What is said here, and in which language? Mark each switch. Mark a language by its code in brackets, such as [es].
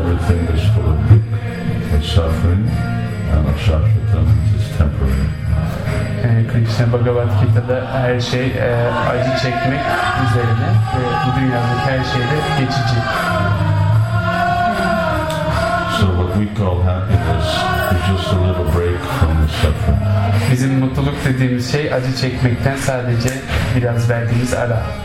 [en] Everything is full of dukkha and suffering, and aśāśvatam is temporary. [tr] Krishna Bhagavad Gita'da her şey acı çekmek üzerine ve bu dünyadaki her şey de geçici. [en] So what we call happiness is just a little break from the suffering. [tr] Bizim mutluluk dediğimiz şey acı çekmekten sadece biraz verdiğimiz ara.